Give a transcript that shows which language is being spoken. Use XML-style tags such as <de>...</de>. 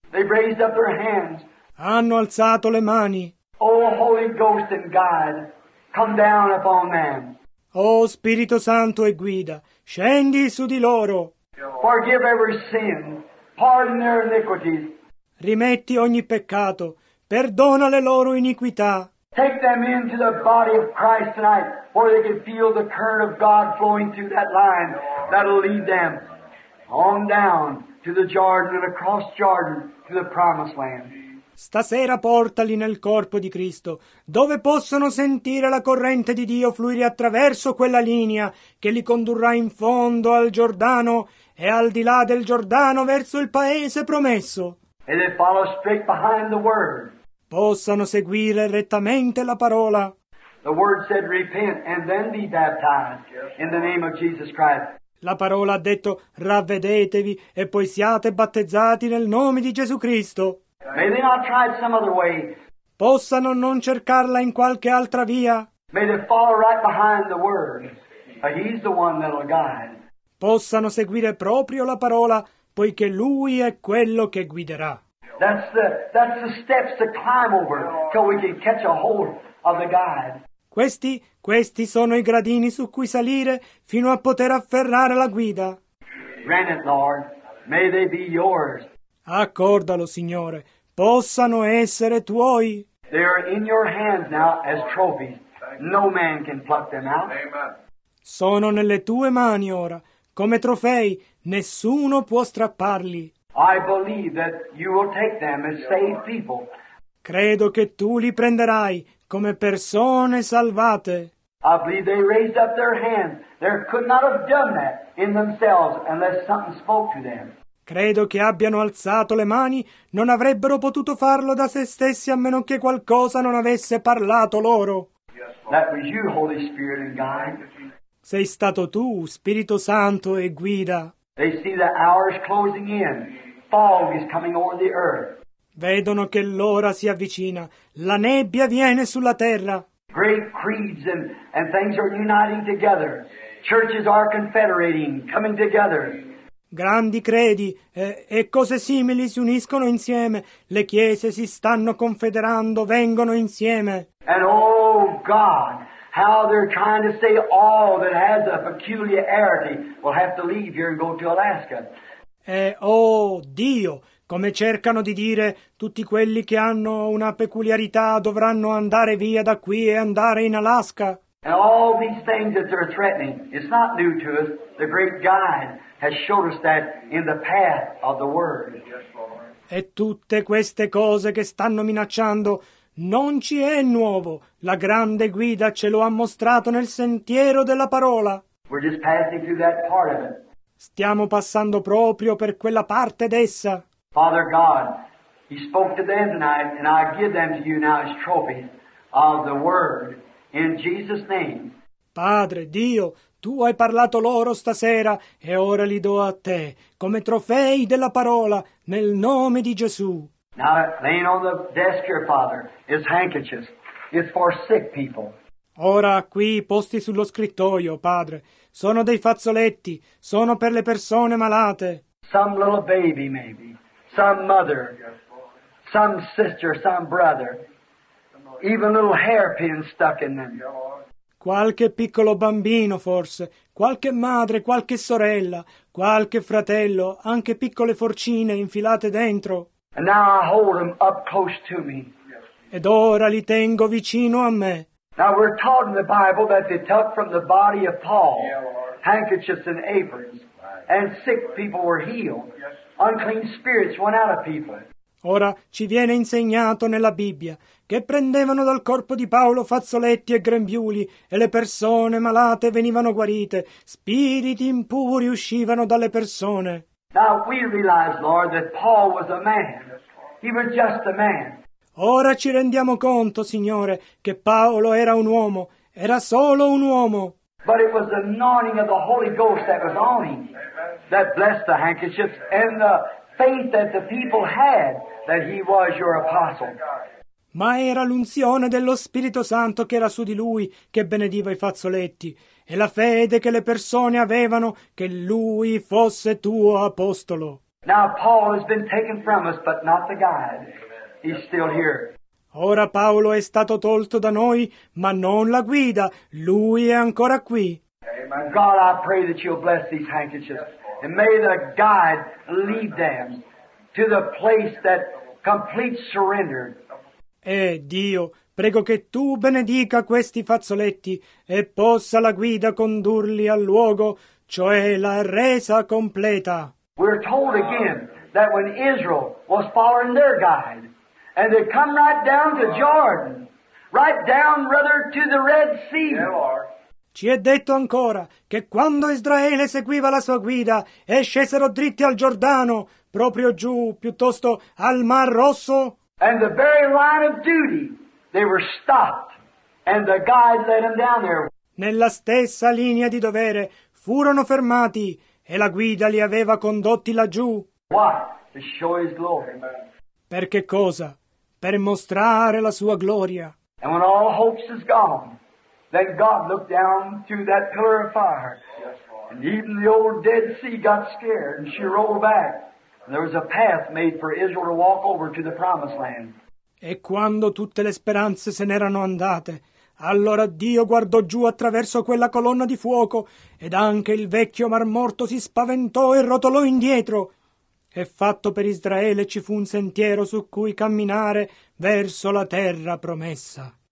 <en>They've raised up their hands.</en> <it>Hanno alzato le mani.</it> <en>Oh, Holy Ghost and guide, come down upon them.</en> <it>Oh, Spirito Santo e guida, scendi su di loro.</it> <en>Forgive every sin, pardon their iniquities.</en> <it>Rimetti ogni peccato, perdona le loro iniquità.</it> <en>Take them into the body of Christ tonight, where they can feel the current of God flowing through that line that'll lead them on down to the Jordan and across Jordan to the Promised Land.</en> <it>Stasera portali nel corpo di Cristo, dove possono sentire la corrente di Dio fluire attraverso quella linea che li condurrà in fondo al Giordano e al di là del Giordano verso il paese promesso.</it> <en>And they follow straight behind the word.</en> <it>Possano seguire rettamente la parola.</it> <en>The word said, repent and then be baptized in the name of Jesus Christ.</en> <it>La parola ha detto, ravvedetevi e poi siate battezzati nel nome di Gesù Cristo.</it> <en>May they not try it some other way.</en> <it>Possano non cercarla in qualche altra via.</it> <en>May they follow right behind the word. He's the one that'll guide.</en> <it>Possano seguire proprio la parola, poiché Lui è quello che guiderà.</it> <en>That's the steps to climb over till we can catch a hold of the guide.</en> <it>Questi sono i gradini su cui salire fino a poter afferrare la guida.</it> <en>Grant it, Lord. May they be yours.</en> <it>Accordalo, Signore. Possano essere tuoi.</it> <en>They are in your hands now as trophies. No man can pluck them out. Amen.</en> <it>Sono nelle tue mani ora. Come trofei, nessuno può strapparli.</it> <en>I believe that you will take them as saved people.</en> <it>Credo che tu li prenderai come persone salvate.</it> <en>I believe they raised up their hands. They could not have done that in themselves unless something spoke to them.</en> <it>Credo che abbiano alzato le mani, non avrebbero potuto farlo da se stessi a meno che qualcosa non avesse parlato loro.</it> <en>That was you, Holy Spirit and guide.</en> <it>Sei stato tu, Spirito Santo e guida.</it> <en>They see the hours closing in. Fog is coming over the earth.</en> <it>Vedono che l'ora si avvicina. La nebbia viene sulla terra.</it> <en>Great creeds and things are uniting together. Churches are confederating, coming together.</en> <it>Grandi credi e cose simili si uniscono insieme. Le chiese si stanno confederando, vengono insieme.</it> <en>And oh God, how they're trying to say all that has a peculiarity will have to leave here and go to Alaska.</en> <it>E oh Dio, come cercano di dire tutti quelli che hanno una peculiarità dovranno andare via da qui e andare in Alaska.</it> <en>And all these things that they're threatening, it's not new to us. The great guide has showed us that in the path of the word.</en> <it>E tutte queste cose che stanno minacciando non ci è nuovo. La grande guida ce lo ha mostrato nel sentiero della parola.</it> <en>We're just passing through that part of it.</en> <it>Stiamo passando proprio per quella parte d'essa.</it> <en>Father God, He spoke to them tonight, and I give them to you now as trophies of the word in Jesus' name.</en> <it>Padre Dio, Tu hai parlato loro stasera e ora li do a Te come trofei della parola nel nome di Gesù.</it> <en>Now laying on the desk here, Father, is handkerchiefs. It's for sick people.</en> <it>Ora qui posti sullo scrittoio, Padre, sono dei fazzoletti. Sono per le persone malate.</it> <en>Some little baby, maybe. Some mother. Some sister, some brother. Even little hairpins stuck in them.</en> <it>Qualche piccolo bambino, forse. Qualche madre, qualche sorella. Qualche fratello. Anche piccole forcine infilate dentro.</it> <en>And now I hold them up close to me.</en> <it>Ed ora li tengo vicino a me.</it> <en>Now we're taught in the Bible that they took from the body of Paul handkerchiefs and aprons, and sick people were healed. Unclean spirits went out of people.</en> <it>Ora ci viene insegnato nella Bibbia che prendevano dal corpo di Paolo fazzoletti e grembiuli e le persone malate venivano guarite, spiriti impuri uscivano dalle persone.</it> <en>Now we realize, Lord, that Paul was a man. He was just a man.</en> <it>Ora ci rendiamo conto, Signore, che Paolo era un uomo, era solo un uomo.</it> <en>But it was the anointing of the Holy Ghost that was on him that blessed the handkerchiefs and the faith that the people had that he was your apostle.</en> <it>Ma era l'unzione dello Spirito Santo che era su di lui che benediva i fazzoletti e la fede che le persone avevano che lui fosse tuo apostolo.</it> <en>Now Paul has been taken from us, but not the guide. He's still here.</en> <it>Ora Paolo è stato tolto da noi, ma non la guida. Lui è ancora qui.</it> <en>God, I pray that you'll bless these handkerchiefs. And may the guide lead them to the place that complete surrender.</en> <it>Dio, prego che tu benedica questi fazzoletti e possa la guida condurli al luogo, cioè la resa completa.</it> <en>We're told again that when Israel was following their guide, and they come right down to Jordan, right down, brother, to the Red Sea.</en> <it>Ci è detto ancora che quando Israele seguiva la sua guida e scesero dritti al Giordano, proprio giù, piuttosto al Mar Rosso.</it> <en>And the very line of duty, they were stopped, and the guide led them down there.</en> <it>Nella stessa linea di dovere furono fermati e la guida li aveva condotti laggiù.</it> <en>Why? To show His glory. Amen.</en> <it>Per che cosa? Per mostrare la sua gloria.</it> <en>And when all hopes is gone, then God looked down through that pillar of fire. And even the old Dead Sea got scared and she rolled back. And there was a path made for Israel to walk over to the Promised Land.</en> <it>E quando tutte le speranze se n'erano andate, allora Dio guardò giù attraverso quella colonna di fuoco ed anche il vecchio Mar Morto si spaventò e rotolò indietro. E fatto per Israele ci fu un sentiero su cui camminare verso la terra promessa.</it>